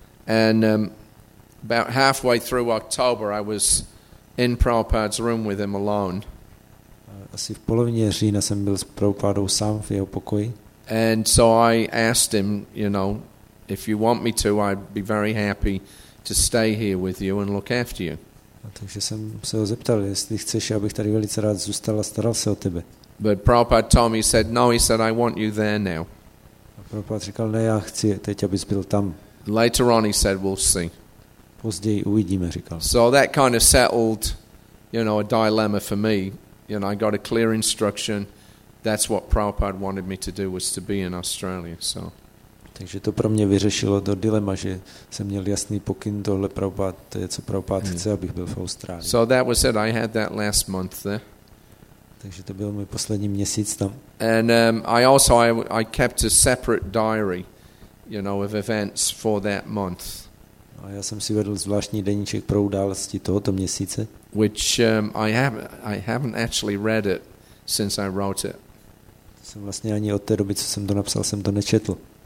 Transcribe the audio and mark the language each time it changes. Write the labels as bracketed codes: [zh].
[en] And about halfway through October, I was in Prabhupada's room with him alone. [cs] Asi v polovině října jsem byl s Prabhupádou sám v jeho pokoji. [en] And so I asked him, you know, if you want me to, I'd be very happy to stay here with you and look after you. [cs] A takže jsem se ho zeptal, jestli chceš, abych tady velice rád zůstal a staral se o tebe. [en] But Prabhupada told me, he said, no, he said, I want you there now. [cs] A Prabhupada říkal, ne, já chci teď, abys byl tam. [en] Later on, he said, we'll see. [cs] Později uvidíme, říkal. [en] So that kind of settled, you know, a dilemma for me. You know, I got a clear instruction. That's what Prabhupada wanted me to do, was to be in Australia, so. [cs] Takže to pro mě vyřešilo to dilema, že jsem měl jasný pokyn, tohle Prabhupád, to je, co Prabhupád chce, abych byl v Austrálii. [en] So that was it, I had that last month there. [cs] Takže to byl můj poslední měsíc tam. [en] And I also kept a separate diary, you know, of events for that month. [cs] A já jsem si vedl zvláštní deníček pro události tohoto měsíce. [en] Which I haven't actually read it since I wrote it. [cs] Jsem vlastně ani od té doby, co jsem to napsal, jsem to nečetl.